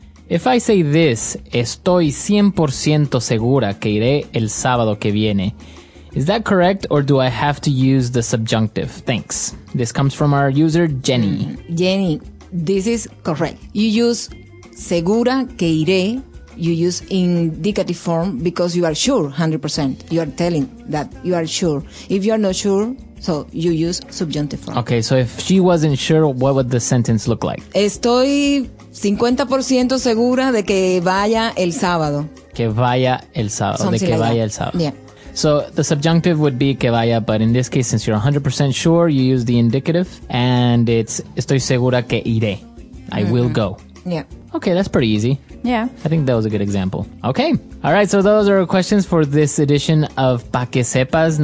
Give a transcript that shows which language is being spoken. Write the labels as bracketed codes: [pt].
[en] If I say this, [es] estoy 100% segura que iré el sábado que viene. [en] Is that correct, or do I have to use the subjunctive? Thanks. This comes from our user, Jenny. Jenny, this is correct. You use [es] segura que iré. [en] You use indicative form because you are sure, 100%. You are telling that you are sure. If you are not sure, so you use subjunctive form. Okay, so if she wasn't sure, what would the sentence look like? [es] Estoy 50% segura de que vaya el sábado. Que vaya el sábado. [en] Something [es] de que [en] like [es] vaya [en] that. [es] El sábado. [en] Yeah. So the subjunctive would be [es] que vaya, [en] but in this case, since you're 100% sure, you use the indicative, and it's [es] estoy segura que iré. [en] I will go. Yeah. Okay, that's pretty easy. Yeah. I think that was a good example. Okay. All right, so those are our questions for this edition of Pa' Que Sepas.